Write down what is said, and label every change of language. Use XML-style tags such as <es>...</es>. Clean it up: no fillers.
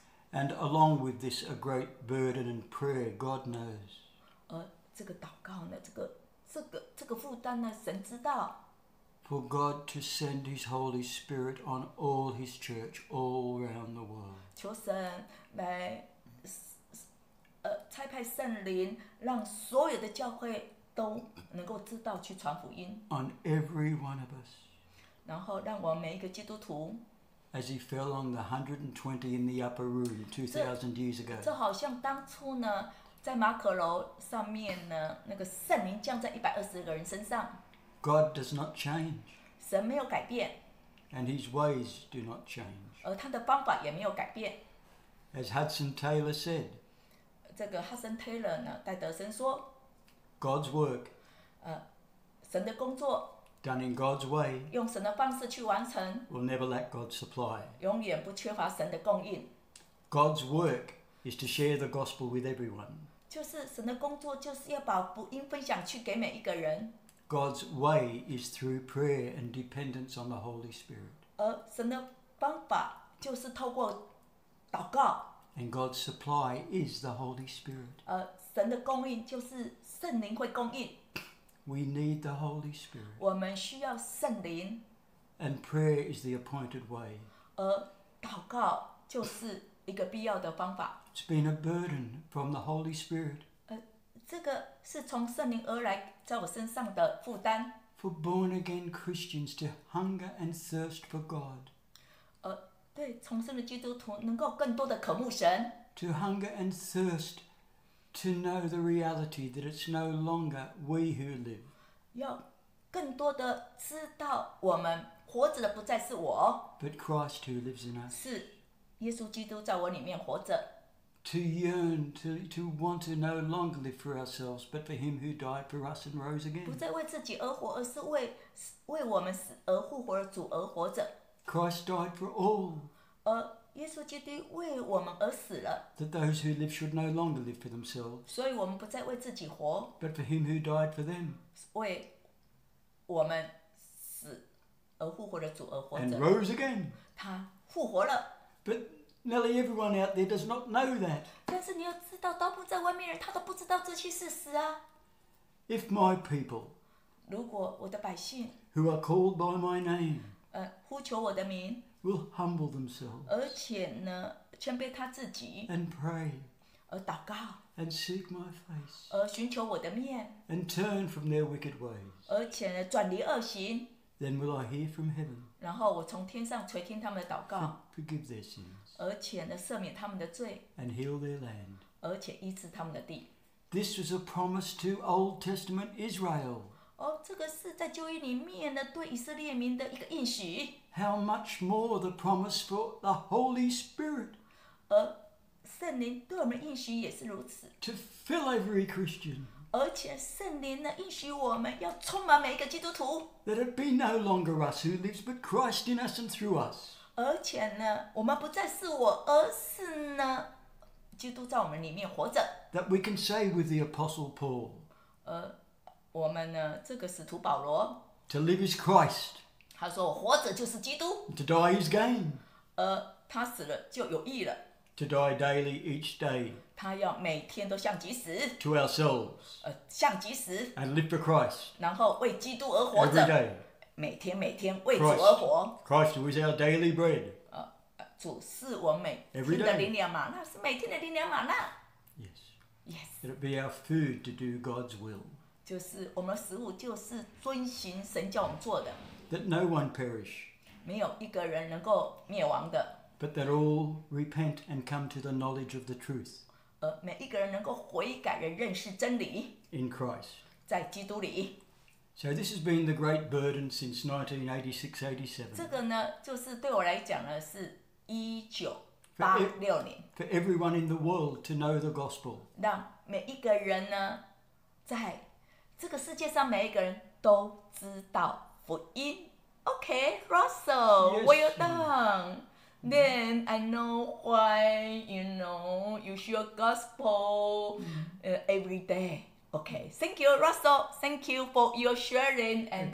<en>And along with this, a great burden and prayer, God knows.</en> <zh>这个祷告呢，这个负担呢，神知道。</zh> <en>For God to send His Holy Spirit on all His church all around the world.</en> <zh>求神来，差派圣灵，让所有的教会都能够知道去传福音。</zh> <en>On every one of us.</en> <zh>然后让我们每一个基督徒。</zh> <en>As He fell on the 120 in the upper room 2,000 years ago.</en> <zh>这好像当初呢，在马可楼上面呢，那个圣灵降在120个人身上。</zh> <en>God does not change.</en> <zh>神没有改变。</zh> <en>And His ways do not change.</en> <zh>而他的方法也没有改变。</zh> <en>As Hudson Taylor said.</en> <zh>这个 Hudson Taylor 呢，戴德森说。</zh> <en>God's work.</en> <zh>神的工作。</zh> <en>Done in God's way.</en> <zh>用神的方式去完成。</zh> <en>Will never lack God's supply.</en> <zh>永远不缺乏神的供应。</zh> <en>God's work is to share the gospel with everyone.</en> <zh>就是神的工作就是要把福音分享去给每一个人。</zh> <en>God's way is through prayer and dependence on the Holy Spirit.</en> <zh>神的方法就是透过祷告。</zh> <en>And God's supply is the Holy Spirit.</en> <zh>神的供应就是圣灵会供应。</zh> <en>We need the Holy Spirit.</en> <zh>我们需要圣灵。</zh> <en>And prayer is the appointed way.</en> <zh>祷告就是一个必要的方法。</zh> <en>It's been a burden from the Holy Spirit.</en> <zh>这个是从圣灵而来在我身上的负担。</zh> <en>For born again Christians to hunger and thirst for God.</en> <zh>对，重生的基督徒能够更多的渴慕神。</zh> <en>To hunger and thirst to know the reality that it's no longer we who live.</en> <zh>要更多的知道我们活着的不再是我。</zh> <en>But Christ who lives in us.</en> <zh>是耶稣基督在我里面活着。</zh> <en>To yearn, to want to no longer live for ourselves, but for Him who died for us and rose again.</en> <zh>不再为自己而活，而是为我们而复活的主而活着。</zh> <en>Christ died for all.</en> <zh>耶稣基督为我们而死了。</zh> <en>That those who live should no longer live for themselves.</en> <zh>所以我们不再为自己活。</zh> <en>But for Him who died for them.</en> <zh>为我们死而复活的主而活着。</zh> <en>And rose again.</en> <zh>他复活了。</zh> <en>But nearly everyone out there does not know that.</en> <zh>但是你要知道，大部分在外面人他都不知道这些事实啊。</zh> <en>If my people,</en> <zh>如果我的百姓</zh> <en>who are called by my name,</en> <zh>呼求我的名</zh> <en>will humble themselves,</en> <zh>而且呢，谦卑他自己</zh> <en>and pray,</en> <zh>祷告</zh> <en>and seek my face,</en> <zh>寻求我的面</zh> <en>and turn from their wicked ways,</en> <zh>而且呢，转离恶行</zh> <en>then will I hear from heaven.</en> <zh>然后我从天上垂听他们的祷告</zh> <en>forgive their sins.</en> <zh>而且呢，赦免他们的罪。</zh> <en>And heal their land.</en> <zh>而且医治他们的地。</zh> <en>This was a promise to Old Testament Israel.</en> <zh>这个是在旧约里面呢，对以色列民的一个应许。</zh> <en>How much more the promise for the Holy Spirit?</en> <zh>圣灵对我们应许也是如此。</zh> <en>To fill every Christian.</en> <zh>而且圣灵呢，应许我们要充满每一个基督徒。</zh> <en>That it be no longer us who lives, but Christ in us and through us.</en> <zh>而且呢，我们不再是我，而是呢，基督在我们里面活着。</zh> <en>That we can say with the Apostle Paul.</en> <zh>我们呢，这个使徒保罗。</zh> <en>To live is Christ.</en> <zh>他说，活着就是基督。</zh> <en>To die is gain.</en> <zh>他死了就有益了。</zh> <en>To die daily each day.</en> <zh>他要每天都向己死。</zh> <en>To ourselves.</en> <zh>向己死。</zh> <en>And live for Christ.</en> <zh>然后为基督而活着。</zh> <en>Every day.</en> <zh>每天每天为主而活。</zh> <en>Christ, Christ who is our daily bread.</en> <zh>主是我每天的灵粮玛纳，是每天的灵粮玛纳。</zh> <en>Yes. Yes. Let it be our food to do God's will.</en> <zh>就是我们的食物就是遵循神叫我们做的。</zh> <en>That no one perish.</en> <zh>没有一个人能够灭亡的。</zh> <en>But that all repent and come to the knowledge of the truth.</en> <zh>每一个人能够悔改，人认识真理。</zh> <en>In Christ.</en> <zh>在基督里。</zh> <en>So this has been the great burden since 1986-87.</en> <zh>这个呢，就是对我来讲呢，是1986年。</zh> <en>For everyone in the world to know the gospel.</en> <zh>让每一个人呢，在这个世界上每一个人都知道福音。</zh> <en>Okay, Russell, yes, well done. Then I know why, you know, you share gospel every day. Okay, thank you, Russell. Thank you for your sharing and</en>